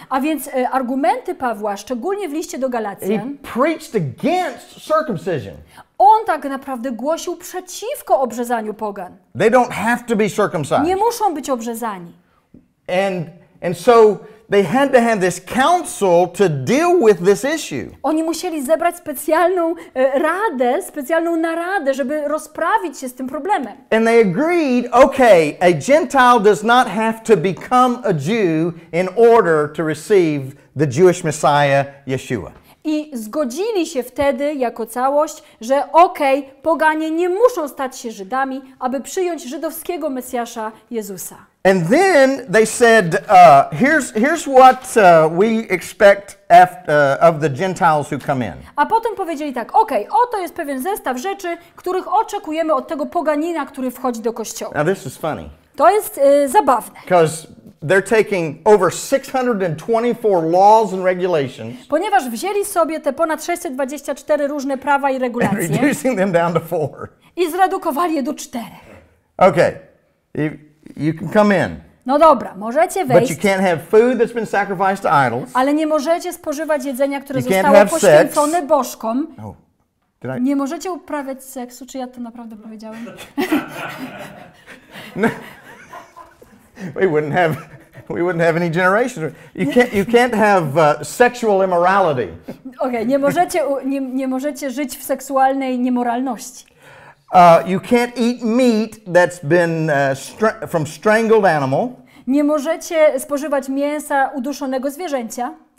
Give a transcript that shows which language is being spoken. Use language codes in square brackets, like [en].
[pl] A więc argumenty Pawła, szczególnie w liście do Galacjan. [en] He preached against circumcision. [pl] On tak naprawdę głosił przeciwko obrzezaniu pogan. [en] They don't have to be circumcised. [pl] Nie muszą być obrzezani. [en] And so they had to have this council to deal with this issue. [pl] Oni musieli zebrać specjalną radę, specjalną naradę, żeby rozprawić się z tym problemem. [en] And they agreed, okay, a Gentile does not have to become a Jew in order to receive the Jewish Messiah, Yeshua. [pl] I zgodzili się wtedy jako całość, że okej, poganie nie muszą stać się Żydami, aby przyjąć żydowskiego Mesjasza Jezusa. [en] And then they said, here's what we expect of the Gentiles who come in. [pl] A potem powiedzieli tak, okej, oto jest pewien zestaw rzeczy, których oczekujemy od tego poganina, który wchodzi do kościoła. [en] Now this is funny. [pl] To jest zabawne. [en] Because they're taking over 624 laws and regulations. [pl] Ponieważ wzięli sobie te ponad 624 różne prawa i regulacje. [en] And reducing them down to 4. [pl] I zredukowali je do 4. [en] Okay. You can come in. [pl] No dobra, możecie wejść. [en] But you can't have food that's been sacrificed to idols. [pl] Ale nie możecie spożywać jedzenia, które zostało poświęcone bożkom. Nie możecie uprawiać seksu, czy ja to naprawdę powiedziałem? No. [en] We wouldn't have any generations. You can't have sexual immorality. [pl] Okay, nie możecie żyć w seksualnej niemoralności. [en] You can't eat meat that's been from strangled animal. [pl] Nie możecie spożywać mięsa uduszonego zwierzęcia.